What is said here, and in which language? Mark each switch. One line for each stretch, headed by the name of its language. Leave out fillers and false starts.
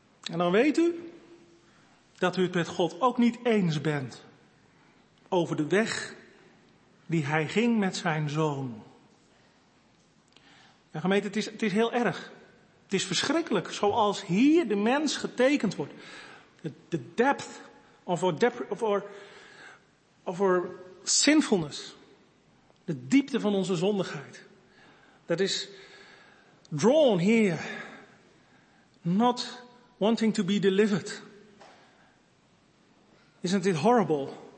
Dutch: En dan weet u dat u het met God ook niet eens bent over de weg die hij ging met zijn zoon. Ja, gemeente, het is heel erg. Het is verschrikkelijk zoals hier de mens getekend wordt.
English: The depth of our sinfulness.
Dutch: De diepte van onze zondigheid. Dat is
English: drawn here, not wanting to be delivered. Isn't it horrible?